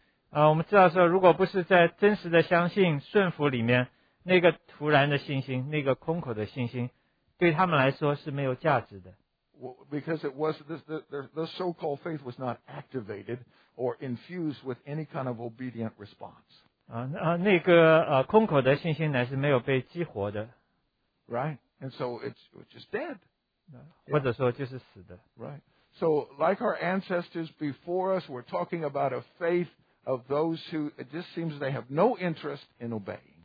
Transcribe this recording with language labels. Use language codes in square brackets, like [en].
[zh] 我们知道说，如果不是在真实的相信顺服里面，那个突然的信心，那个空口的信心，对他们来说是没有价值的。 [en] Because it was the so-called faith was not activated or infused with any kind of obedient response. [zh] 那个空口的信心乃是没有被激活的。 [en] Right, and so it's just dead. [zh] 或者说就是死的。 [en] Right, so like our ancestors before us, we're talking about a faith of those who it just seems they have no interest in obeying.